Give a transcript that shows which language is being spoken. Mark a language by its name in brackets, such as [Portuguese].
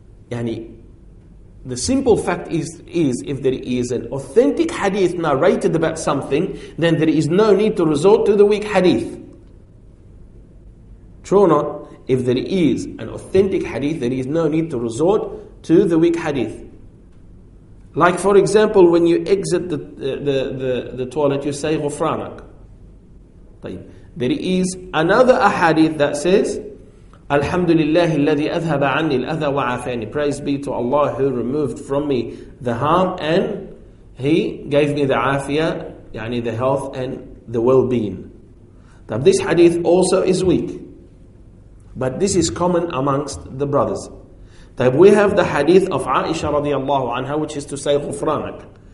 [English] Yani, the simple fact is if there is an authentic hadith narrated about something, then there is no need to resort to the weak hadith. True or not, if there is an authentic hadith, there is no need to resort to the weak hadith. Like for example, when you exit the toilet, you say غفرانك. There is another hadith that says, [Arabic] الحمد لله الذي أذهب عني الأذى وعافاني. [English] Praise be to Allah who removed from me the harm and He gave me the afiyah, يعني the health and the well-being. Now this hadith also is weak. But this is common amongst the brothers. Tayyib, we have the hadith of Aisha radiallahu anha, which is to say غفرانك.